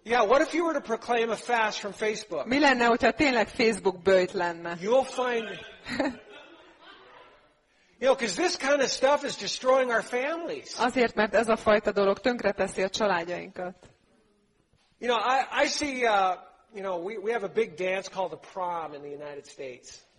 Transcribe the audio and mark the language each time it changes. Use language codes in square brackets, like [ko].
[en] Yeah, what if you were to proclaim a fast from Facebook? [hu] Mi lenne, hogyha tényleg Facebook böjt lenne? [en] You'll find, you know, because this kind of stuff is destroying our families. [hu] Azért, mert ez a fajta dolog tönkreteszi a családjainkat. [en] You know, I see, you know, we have a big dance called the prom in the United States.